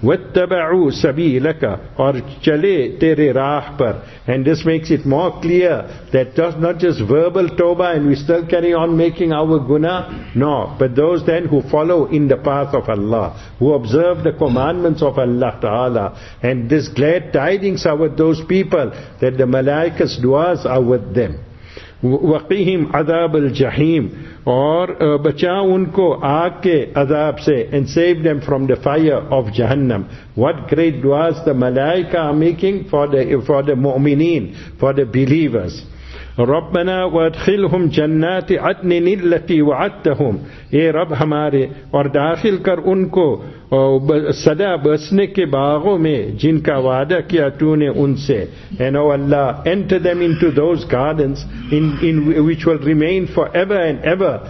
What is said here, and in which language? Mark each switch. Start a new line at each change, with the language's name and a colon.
Arabic: وَاتَّبَعُوا سَبِيلَكَ
Urdu: اور چلے تیرے راہ پر
English: And this makes it more clear that does not just verbal tawbah and we still carry on making our guna. No, but those then who follow in the path of Allah, who observe the commandments of Allah Ta'ala. And this glad tidings are with those people that the malaika's duas are with them.
Arabic: وَقِهِمْ عَذَابَ الْجَحِيمِ
Urdu: اور بچا ان کو آگ کے عذاب سے
English: and save them from the fire of Jahannam. What great duas the malaika are making for the mu'mineen, for the believers.
Arabic: رَبَّنَا وَادْخِلْهُمْ جَنَّاتِ عَدْنٍ الَّتِي وَعَدْتَهُمْ
Urdu: اے رب ہمارے اور داخل کر ان کو صدا بسنے کے باغوں میں جن کا وعدہ کیا تو نے ان سے
English: and oh Allah enter them into those gardens in which will remain forever and ever